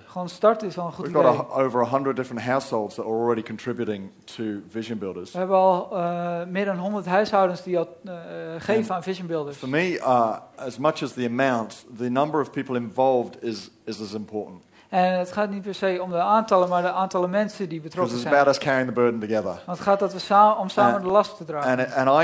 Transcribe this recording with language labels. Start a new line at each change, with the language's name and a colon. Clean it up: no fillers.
Dutch: Gewoon starten is al een goed idee.
English: We've got over 100 different households that are already contributing to Vision Builders.
Dutch: We hebben al meer dan 100 huishoudens die al geven aan Vision Builders.
English: For me, as much as the amount, the number of people involved is as important.
Dutch: En het gaat niet per se om de aantallen, maar de aantallen mensen die betrokken zijn.
English: About us carrying the burden together.
Dutch: Want het gaat dat we samen de last te dragen.